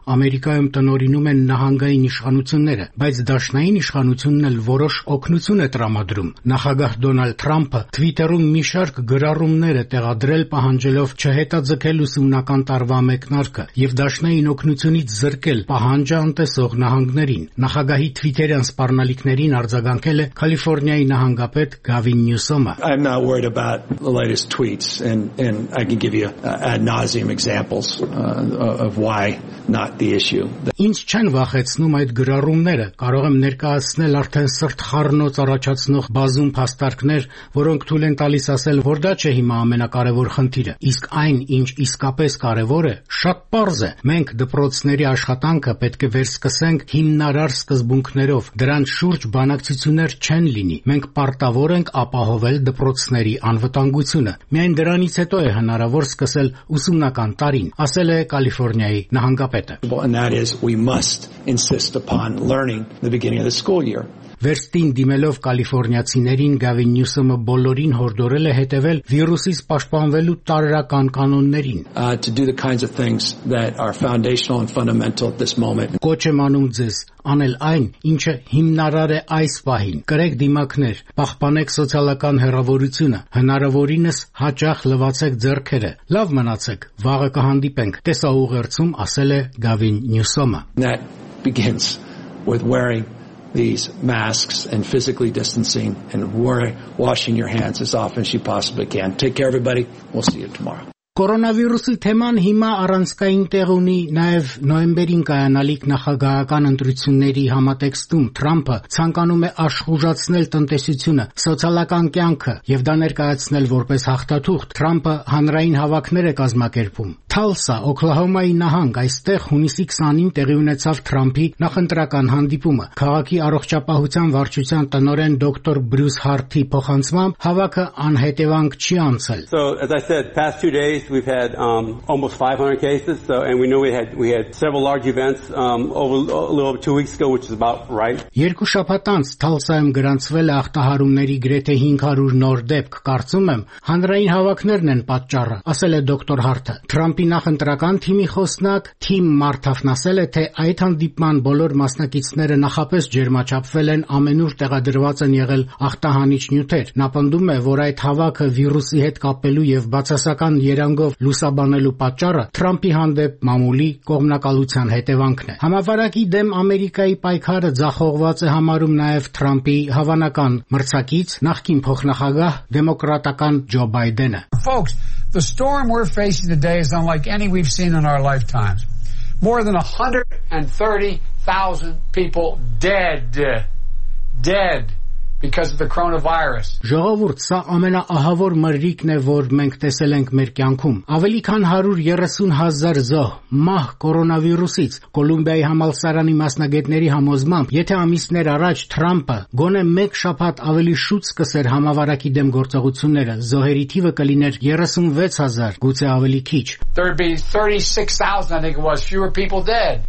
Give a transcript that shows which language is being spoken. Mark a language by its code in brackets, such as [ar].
[hy] Ամերիկայում տնորինում են նահանգային իշխանությունները, բայց դաշնային իշխանությունն էլ որոշ օգնություն է տրամադրում։ Նախագահ Դոնալդ Թրամփը Թվիտերում մի շարք գրառումներ է տեղադրել, պահանջելով չհետաձգել ուսումնական տարվա մեկնարկը և դաշնային օգնությունից զրկել պահանջը անտեսող նահանգներին։ Նախագահի թվիտերյան սպառնալիքներին արձագանքել է Կալիֆոռնիայի նահանգապետ Գավին Նյուսոմը։ [en] The latest tweets, and I can give you ad nauseum examples of why not the issue. [hy] Ինչ չեն վախեցնում այդ գրառումները, կարող եմ ներկայացնել արդեն սրտխառնոց առաջացնող բազում փաստարկներ, որոնք թույլ են տալիս ասել, որ դա չէ հիմա ամենակարևոր խնդիրը, իսկ այն, ինչ իսկապես կարևոր է, շատ պարզ է. Մենք դպրոցների աշխատանքը պետք է վերսկսենք հիմնարար սկզբունքներով, դրանց շուրջ բանակցություններ չեն լինի, մենք պարտավոր ենք ապահովել դպրոցների անվտանգությունը, միայն դրանից հետո է հնարավոր սկսել ուսումնական տարին, ասել է Կալիֆոռնիայի նահանգապետը։ [en] We must insist upon learning the beginning of the school year. [hy] Վերստին դիմելով Կալիֆոռնիացիներին, Գավին Նյուսոմը բոլորին հորդորել է հետևել վիրուսից պաշտպանվելու տարրական կանոններին. [en] To do the kinds of things that are foundational and fundamental at this moment. [hy] Կոչ եմ անում ձեզ անել այն, ինչը հիմնարար է այս պահին. Կրեք դիմակներ, պահպանեք սոցիալական հեռավորությունը, հնարավորինս հաճախ լվացեք ձեռքերը, լավ մնացեք, վաղը կհանդիպենք, տեսաուղերձում ասել է Գավին Նյուսոմը. [en] That begins with wearing these masks and physically distancing and washing your hands as often as you possibly can. Take care, everybody. We'll see you tomorrow. [hy] Կորոնավիրուսի թեման հիմա առանցքային տեղ ունի նաև նոյեմբերին կայանալիք նախագահական ընտրությունների համատեքստում։ Թրամփը ցանկանում է աշխուժացնել տնտեսությունը, սոցիալական կյանքը և դա ներկայացնել որպես հաղթաթուղթ։ Թրամփը հանրային հավաքներ է կազմակերպում։ Թալսա, Օկլահոմայի նահանգ, այստեղ հունիսի 20-ին տեղի ունեցավ Թրամփի նախընտրական հանդիպումը։ Քաղաքի առողջապահության վարչության տնօրեն դոկտոր Բրյուս Հարթի փոխանցմամբ հավաքը անհետևանք չի անցել։ [en] So as I said, past 2 days we've had almost 500 cases, so and we know we had several large events over a little over 2 weeks ago, which is about right. [hy] Երկու շաբաթ անց Թալսայում գրանցվել է ախտահարումների գրեթե 500 նոր դեպք, կարծում եմ հանրային հավաքներն են պատճառը, ասել է դոկտոր Հարթը։ Թրամփի նախընտրական թիմի խոսնակ թիմ մարտավնասել է, թե այդ հանդիպման բոլոր մասնակիցները նախապես ջերմաչափվել են, ամենուր տեղադրված են եղել ախտահանիչ նյութեր։ Նա պնդում է, որ այդ հավաքը վիրուսի հետ կապելու և բացասական երանգով լուսաբանելու պատճառը Թրամփի հանդեպ մամուլի կողմնակալության հետևանքն է։ Համավարակի դեմ Ամերիկայի պայքարը ձախողված է համարում նաև Թրամփի հավանական մրցակից, նախկին փոխնախագահ, դեմոկրատական Ջո Բայդենը։ [en] The storm we're facing today is unlike any we've seen in our lifetimes. More than 130,000 people dead. Because of the coronavirus. [hy] Ժողովուրդ, սա ամենաահավոր մրրիկն է, որ մենք տեսել ենք մեր կյանքում։ Ավելի քան 130,000 զոհ մահ կորոնավիրուսից։ Կոլումբիայի համալսարանի մասնագետների համոզմամբ, եթե ամիսներ առաջ Թրամփը գոնե մեկ շաբաթ ավելի շուտ սկսեր համավարակի դեմ գործողությունները, զոհերի թիվը կլիներ 36,000, գուցե ավելի քիչ։ [en] There'd be 36,000, I think it was, fewer people dead.